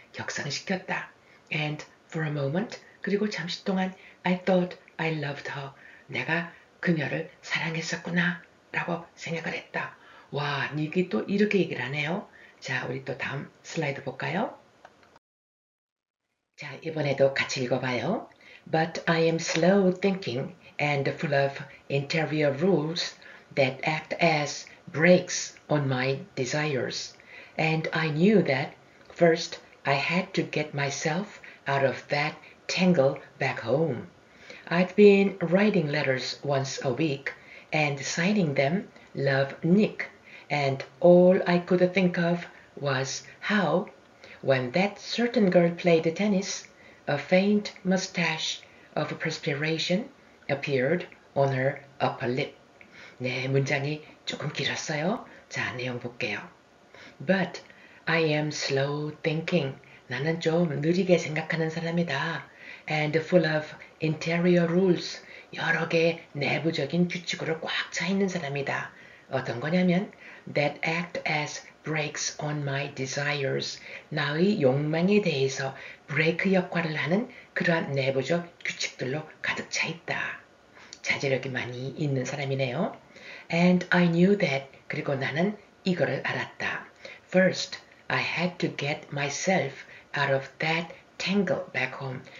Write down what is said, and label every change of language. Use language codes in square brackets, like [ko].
[ko] 격상시켰다. [en] And for a moment, [ko] 그리고 잠시 동안, [en] I thought I loved her. [ko] 내가 그녀를 사랑했었구나. 라고 생각을 했다. 와, 니기 또 이렇게 얘기를 하네요. 자, 우리 또 다음 슬라이드 볼까요? 자, 이번에도 같이 읽어봐요. [en] But I am slow thinking and full of interior rules that act as brakes on my desires. And I knew that first, I had to get myself out of that tangle back home. I'd been writing letters once a week and signing them Love Nick, and all I could think of was how, when that certain girl played tennis, a faint mustache of perspiration appeared on her upper lip. [ko] 네, 문장이 조금 길었어요. 자, 내용 볼게요. [en] But I am slow thinking. [ko] 나는 좀 느리게 생각하는 사람이다. [en] And full of interior rules. [ko] 여러 개의 내부적인 규칙으로 꽉차 있는 사람이다. 어떤 거냐면, [en] that act as brakes on my desires. [ko] 나의 욕망에 대해서 브레이크 역할을 하는 그러한 내부적 규칙들로 가득 차 있다. 자제력이 많이 있는 사람이네요. [en] And I knew that. [ko] 그리고 나는 이거를 알았다. [en] First, I had to get myself out of that tangle back home.